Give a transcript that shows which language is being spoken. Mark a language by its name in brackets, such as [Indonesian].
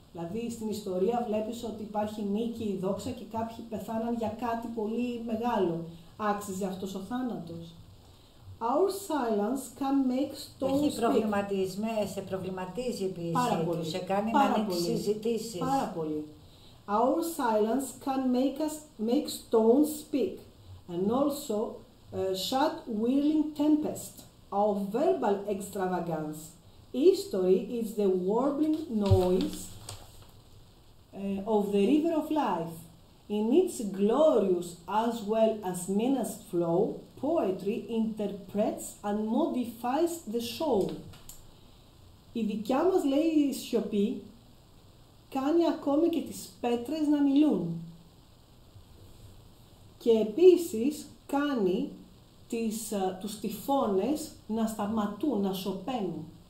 [Greek] Δηλαδή στην ιστορία βλέπεις ότι υπάρχει νίκη η δόξα και κάποιοι πεθάναν για κάτι πολύ μεγάλο. Άξιζε αυτός ο θάνατος? [English] Our silence can make stone speak. [Greek] Έχει προβληματισμές, σε προβληματίζει επίσης. Πάρα πολύ. Σε κάνει πάρα να ανοίξει συζητήσεις. Πάρα πολύ. [English] Our silence can make stone speak and also shut whirling tempest of verbal extravagance. History is the warbling noise of the river of life. In its glorious as well as menaced flow, poetry interprets and modifies the soul. [Greek] Η δικιά μας, λέει, η σιωπή κάνει ακόμη και τις πέτρες να μιλούν. Και επίσης κάνει τους τυφώνες να σταματούν, να σωπαίνουν.